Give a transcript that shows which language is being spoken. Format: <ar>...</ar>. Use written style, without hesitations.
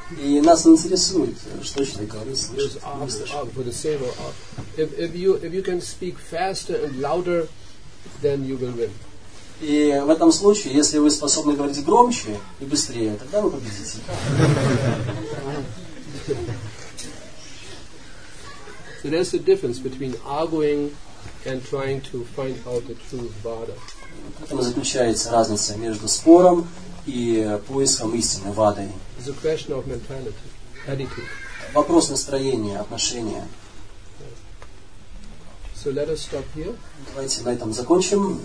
<ru>И нас не интересует, что человек говорит, слышит.</ru> <en>For the sake of art. If you can speak faster and louder, then you will win.</en> <ru>И в этом случае, если вы способны говорить громче и быстрее, тогда вы победите.</ru> <en>So there's a difference between arguing and trying to find out the truth, vada.</en> <ru>Там заключается разница между спором и поиском истины, вадой.</ru> <en>It's a question of mentality, attitude.</en> <ru>Вопрос настроения, отношения.</ru> <en>So let us stop here.</en> <ru>Давайте на этом закончим.</ru>